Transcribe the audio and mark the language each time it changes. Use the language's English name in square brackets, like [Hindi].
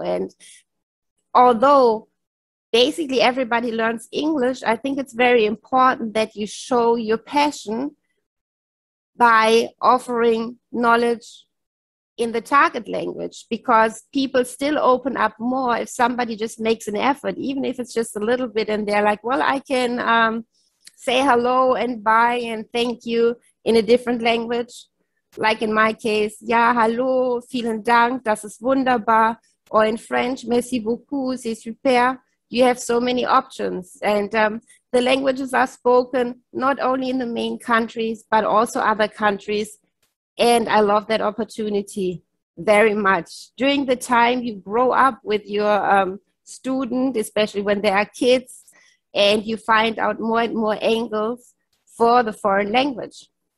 [English] And although basically everybody learns English, I think it's very important that you show your passion by offering knowledge in the target language, because people still open up more if somebody just makes an effort, even if it's just a little bit, and they're like, well, I can say hello and bye and thank you in a different language. Like in my case, [German] ja, hallo, vielen Dank, das ist wunderbar. [English] Or in French, [French] merci beaucoup, c'est super. [English] You have so many options. And the languages are spoken not only in the main countries, but also other countries. And I love that opportunity very much. During the time you grow up with your student, especially when they are kids, and you find out more and more angles for the foreign language.